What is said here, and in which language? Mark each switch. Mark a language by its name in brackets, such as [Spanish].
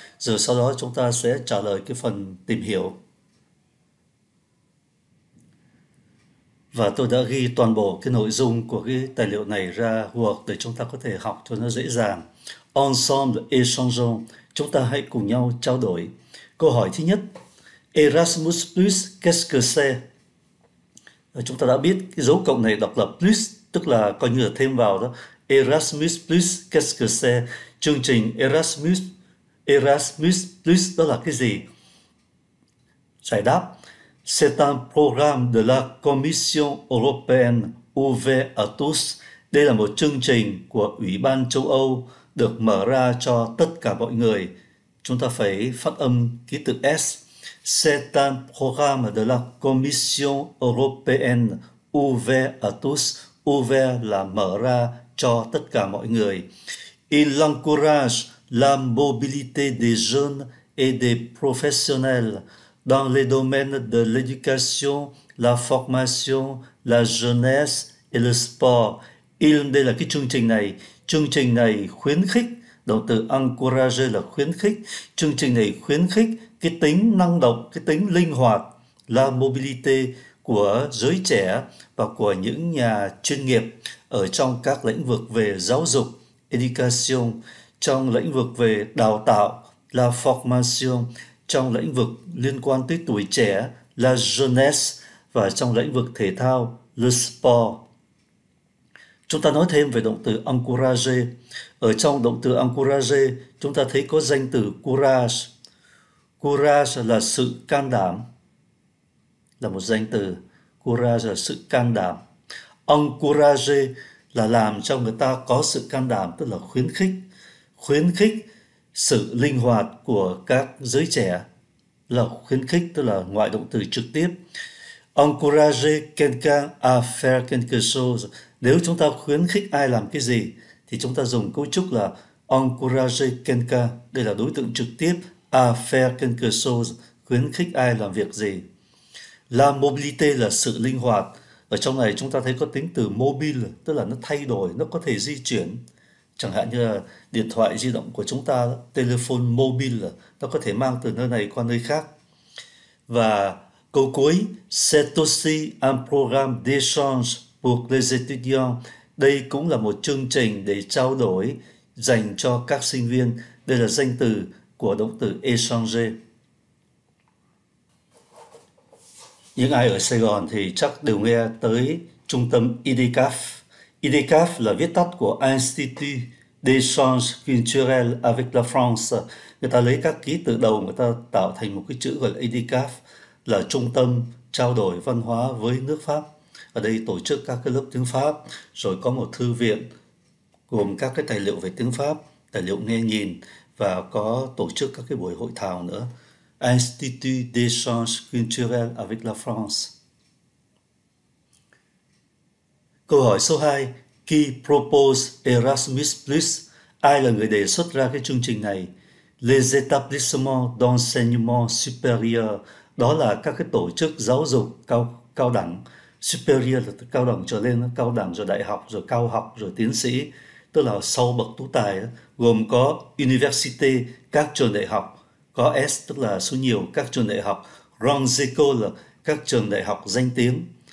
[Vietnamese] Rồi sau đó chúng ta sẽ trả lời cái phần tìm hiểu. Và tôi đã ghi toàn bộ cái nội dung của cái tài liệu này ra Word để chúng ta có thể học cho nó dễ dàng. [French] Ensemble et changeons. [Vietnamese] Chúng ta hãy cùng nhau trao đổi. Câu hỏi thứ nhất. [French] Erasmus Plus, qu'est-ce que c'est? [Vietnamese] Chúng ta đã biết cái dấu cộng này đọc là plus, tức là coi như là thêm vào đó. [French] Erasmus plus, qu'est-ce que c'est? [Vietnamese] Chương trình Erasmus, Erasmus plus đó là cái gì? Giải đáp. [French] C'est un programme de la Commission européenne ouvert à tous. [Vietnamese] Đây là một chương trình của Ủy ban châu Âu được mở ra cho tất cả mọi người. Chúng ta phải phát âm ký tự S. [French] C'est un programme de la Commission européenne ouvert à tous. [Vietnamese] Ouvert là mở ra cho tất cả mọi người. [French] Il encourage la mobilité des jeunes et des professionnels dans les domaines de l'éducation, la formation, la jeunesse et le sport. [Vietnamese] Il, đây là cái chương trình này khuyến khích, động từ encourager là khuyến khích, chương trình này khuyến khích cái tính năng động, cái tính linh hoạt, la mobilité của giới trẻ và của những nhà chuyên nghiệp ở trong các lĩnh vực về giáo dục, education, trong lĩnh vực về đào tạo, la formation, trong lĩnh vực liên quan tới tuổi trẻ, la jeunesse, và trong lĩnh vực thể thao, le sport. Chúng ta nói thêm về động từ encourager. Ở trong động từ encourager, chúng ta thấy có danh từ courage. Courage là sự can đảm, là một danh từ. Courage là sự can đảm. Encourager là làm cho người ta có sự can đảm, tức là khuyến khích sự linh hoạt của các giới trẻ, là khuyến khích, tức là ngoại động từ trực tiếp. [French] Encourager quelqu'un à faire quelque chose. [Vietnamese] Nếu chúng ta khuyến khích ai làm cái gì, thì chúng ta dùng cấu trúc là encourager quelqu'un. Đây là đối tượng trực tiếp. [French] À faire quelque chose, [Vietnamese] khuyến khích ai làm việc gì. La mobilité là sự linh hoạt. Ở trong này chúng ta thấy có tính từ mobile, tức là nó thay đổi, nó có thể di chuyển. Chẳng hạn như là điện thoại di động của chúng ta, telephone mobile, nó có thể mang từ nơi này qua nơi khác. Và câu cuối, [French] c'est aussi un programme d'échange pour les étudiants. [Vietnamese] Đây cũng là một chương trình để trao đổi dành cho các sinh viên. Đây là danh từ của động từ échanger. Những ai ở Sài Gòn thì chắc đều nghe tới trung tâm IDCAF. [French] IDCAF [Vietnamese] là viết tắt của [French] Institut d'échange culturel avec la France. [Vietnamese] Người ta lấy các ký tự đầu, người ta tạo thành một cái chữ gọi là IDCAF, là trung tâm trao đổi văn hóa với nước Pháp. Ở đây tổ chức các cái lớp tiếng Pháp, rồi có một thư viện gồm các cái tài liệu về tiếng Pháp, tài liệu nghe nhìn, và có tổ chức các cái buổi hội thảo nữa. [French] Institut d'échange culturel avec la France. [Vietnamese] Câu hỏi số 2, [French] qui propose Erasmus Plus? [Vietnamese] Ai là người đề xuất ra cái chương trình này? [French] Les établissements d'enseignement supérieur, [Vietnamese] đó là các cái tổ chức giáo dục cao đẳng, superior là cao đẳng trở lên, cao đẳng rồi đại học, rồi cao học, rồi tiến sĩ, tức là sau bậc tú tài, gồm có université, các trường đại học, có S tức là số nhiều các trường đại học, grandes écoles là các trường đại học danh tiếng.